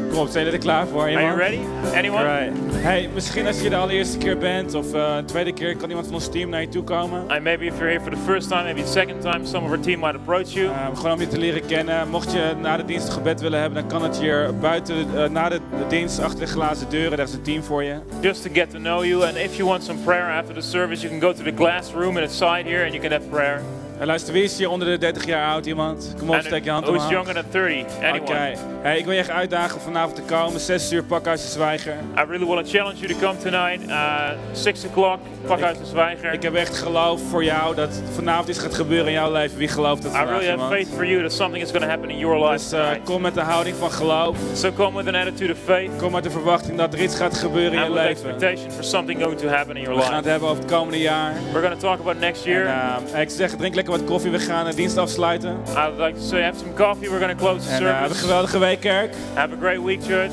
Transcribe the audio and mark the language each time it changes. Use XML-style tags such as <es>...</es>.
<nl>Kom op, zijn jullie er klaar voor, iemand?</nl> <en>Are you ready? Anyone? Right.</en> <nl>Hey, misschien als je de allereerste keer bent of een tweede keer, kan iemand van ons team naar je toe komen.</nl> <en>And maybe if you're here for the first time, maybe the second time, some of our team might approach you.</en> <nl>Gewoon om je te leren kennen. Mocht je na de dienst een gebed willen hebben, dan kan het hier buiten, na de dienst, achter de glazen deuren. Daar is een team voor je.</nl> <en>Just to get to know you. And if you want some prayer after the service, you can go to the glass room in the side here and you can have prayer.</en> <nl>En luister, wie is hier onder de 30 jaar oud, iemand? Kom op, steek je hand omhoog.</nl> <en>Who is younger than 30? Anyone?</en> <nl>Oké. Okay. Hey, ik wil je echt uitdagen om vanavond te komen. 6 uur, Pakhuis de Zwijger.</nl> <en>I really want to challenge you to come tonight. 6 o'clock, Pakhuis de Zwijger.</en> <nl>Ik heb echt geloof voor jou dat vanavond iets gaat gebeuren in jouw leven. Wie gelooft dat vanavond,</nl> <en>I really</en> <nl>iemand?</nl> <en>Have faith for you that something is going to happen in your life.</en> <nl>Dus kom met de houding van geloof.</nl> <en>So come with an attitude of faith.</en> <nl>Kom met de verwachting dat er iets gaat gebeuren</nl> <en>and</en> <nl>in je leven.</nl> <en>And with expectation for something going to happen in your life.</en> <nl>We gaan het hebben over het komende jaar.</nl> <en>We're going to talk about next year.</en> <nl>En, ik zeg, drink lekker wat koffie, we gaan de dienst afsluiten.</nl> <en>I'd like to say, have some coffee, we're going to close the service. Have a</en> <nl>geweldige</nl> <en>week, kerk. Have a great week, church.</en>